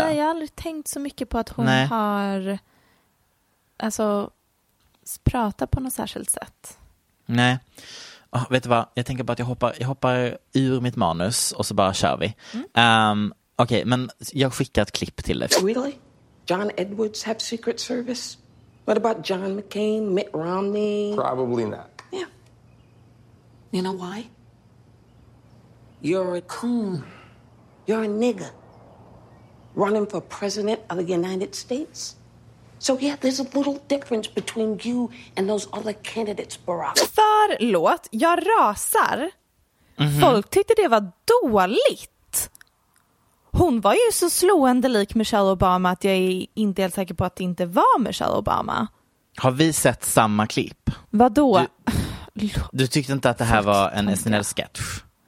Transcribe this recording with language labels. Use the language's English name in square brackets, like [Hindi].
[Swedish] Jag har aldrig tänkt så mycket på att hon Nej. Har alltså pratat på något särskilt sätt. Nej. Oh, vet du vad? Jag tänker bara att jag hoppar ur mitt manus och så bara kör vi. Okej, men jag skickar ett klipp till dig. [English] Really? John Edwards have secret service? What about John McCain, Mitt Romney? Probably not. Yeah. You know why? You're a coon. You're a nigger. Running for president of the United States? So yeah, there's a little difference between you and those other candidates, Barack. [Swedish] Förlåt, jag rasar. Mm-hmm. Folk tyckte det var dåligt. Hon var ju så slående lik Michelle Obama att jag är inte helt säker på att det inte var Michelle Obama. Har vi sett samma klipp? Vadå? Du tyckte inte att det här var en SNL-sketch?